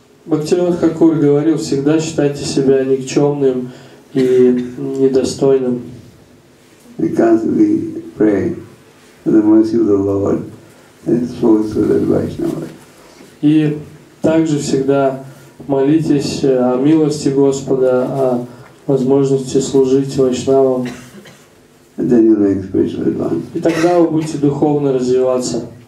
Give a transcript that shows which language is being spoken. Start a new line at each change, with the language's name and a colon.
Russian: Бхактивинода Хакур говорил, всегда считайте себя никчемным и недостойным.
English: We constantly pray for the mercy of the Lord and spoke to the Vaishnava.
Russian: И также всегда молитесь о милости Господа, о возможности служить Вайшнавам.
English: And then you'll make spiritual advance.
Russian: И тогда вы будете духовно развиваться.